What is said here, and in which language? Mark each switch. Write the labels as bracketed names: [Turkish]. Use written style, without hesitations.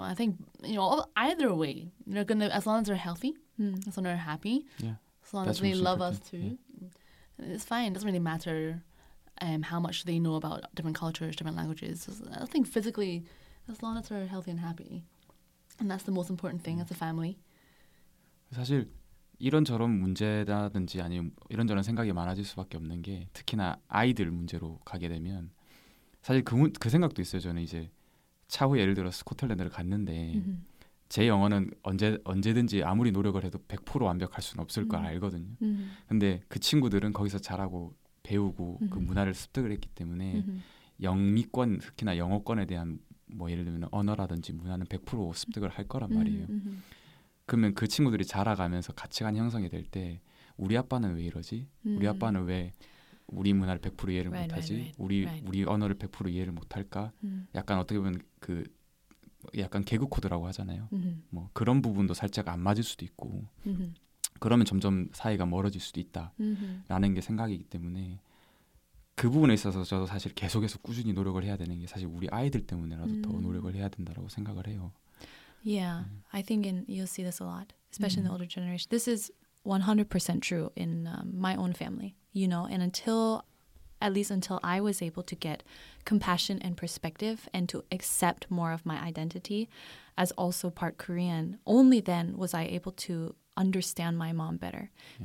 [English] I think, you know, either way, they're going to, as long as they're healthy, mm. as long as they're happy, yeah. as long that's as they love important. Us too, yeah. it's fine. It doesn't really matter. How much they know about different cultures, different languages. I think physically, as long as they're healthy and happy. And that's the most important thing as a family. [Korean] 사실 이런저런 문제라든지 아니면 이런저런 생각이 많아질 수밖에 없는 게 특히나 아이들 문제로 가게 되면 사실 그 생각도 있어요. 저는 이제 차후 예를 들어 스코틀랜드를 갔는데 제 영어는 언제든지 아무리 노력을 해도 100% 완벽할 수는 없을 걸 알거든요. 근데 그 친구들은 거기서 자라고 배우고 그 문화를 습득을 했기 때문에 영미권, 특히나 영어권에 대한 뭐 예를 들면 언어라든지 문화는 100% 습득을 할 거란 말이에요. 그러면 그 친구들이 자라가면서 가치관이 형성이 될 때 우리 아빠는 왜 이러지? 우리 아빠는 왜 우리 문화를 100% 이해를 못하지? [English] Right. [Korean] 우리 언어를 100% 이해를 못할까? 약간 어떻게 보면 그 약간 개그코드라고 하잖아요. 뭐 그런 부분도 살짝 안 맞을 수도 있고 그러면 점점 사이가 멀어질 수도 있다라는 게 생각이기 때문에 그 부분에 있어서 저도 사실 계속해서 꾸준히 노력을 해야 되는 게 사실 우리 아이들 때문에라도 더 노력을 해야 된다라고 생각을 해요. [English] Yeah, I think you'll see this a lot, especially in the older generation. This is 100% true in my own family, you know, and at least until I was able to get compassion and perspective and to accept more of my identity as also part Korean, only then was I able to understand my mom better. Yeah.